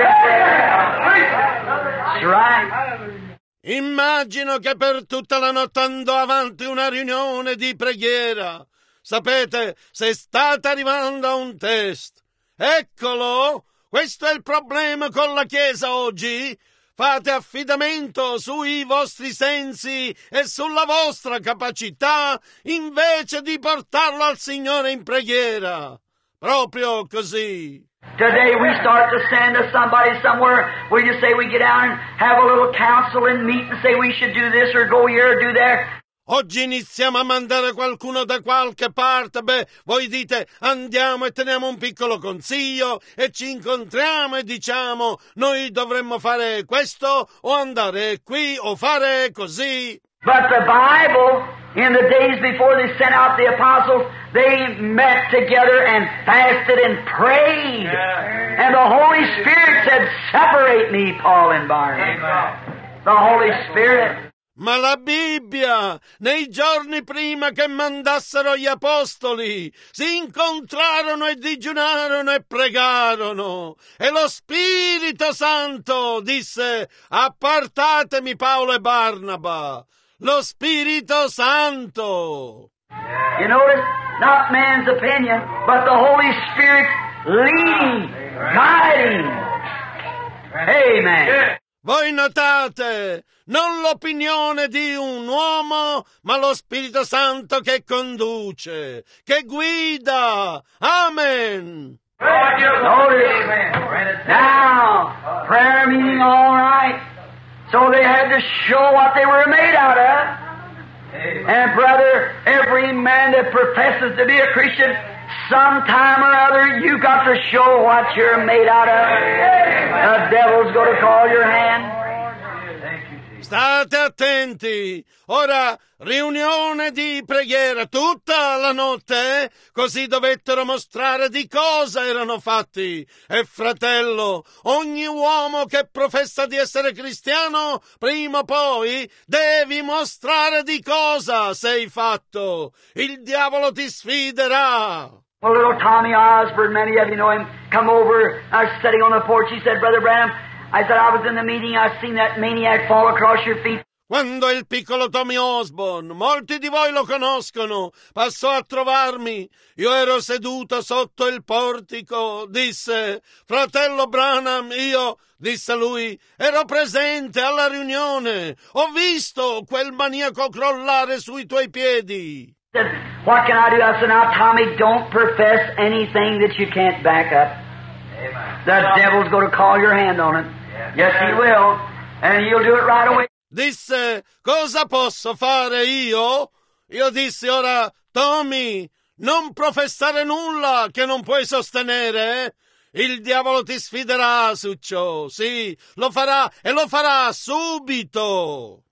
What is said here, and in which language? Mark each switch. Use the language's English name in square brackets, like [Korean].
[English] That's right. [Italian] Immagino che per tutta la notte andò avanti una riunione di preghiera. Sapete, se state arrivando a un test. Eccolo, questo è il problema con la Chiesa oggi. Fate affidamento sui vostri sensi e sulla vostra capacità invece di portarlo al Signore in preghiera. Proprio così. [English] Today we start to send somebody somewhere. We just say we get out and have a little council and meet and say we should do this or go here or do there. [Italian] Oggi iniziamo a mandare qualcuno da qualche parte. Beh, voi dite, andiamo e teniamo un piccolo consiglio e ci incontriamo e diciamo, noi dovremmo fare questo o andare qui o fare così. [English] But the Bible, in the days before they sent out the apostles, they met together and fasted and prayed. Yeah. And the Holy Spirit said, separate me, Paul and Barnabas. The Holy Spirit. [Italian] Ma la Bibbia, nei giorni prima che mandassero gli apostoli, si incontrarono e digiunarono e pregarono. E lo Spirito Santo disse, appartatemi Paolo e Barnaba. Lo Spirito Santo. [English] You notice, not man's opinion, but the Holy Spirit leading, guiding. Amen. [Italian] Voi notate, non l'opinione di un uomo, ma lo Spirito Santo che conduce, che guida. Amen. [English] Notice. Now, prayer meeting, all right. So they had to show what they were made out of. And brother, every man that professes to be a Christian, sometime or other, you got to show what you're made out of. The devil's going to call your hand. [Italian] State attenti. Ora, riunione di preghiera tutta la notte, così dovettero mostrare di cosa erano fatti. E fratello, ogni uomo che professa di essere cristiano, prima o poi, devi mostrare di cosa sei fatto. Il diavolo ti sfiderà. [English] A little Tommy Osborne, many of you know him, come over, I was sitting on the porch, he said, Brother Branham, I said, I was in the meeting, I've seen that maniac fall across your feet. [Italian] quando il piccolo Tommy Osborne, molti di voi lo conoscono, passò a trovarmi. Io ero seduto sotto il portico, disse, fratello Branham, io, disse lui, ero presente alla riunione, ho visto quel maniaco crollare sui tuoi piedi. [English] What can I do? I said, now, Tommy, don't profess anything that you can't back up. The devil's going to call your hand on it. Yes, he will, and he'll do it right away. [Italian] Disse, cosa posso fare io? Io dissi, ora, Tommy, non professare nulla che non puoi sostenere. Il diavolo ti sfiderà su ciò. Sì, lo farà, e lo farà subito.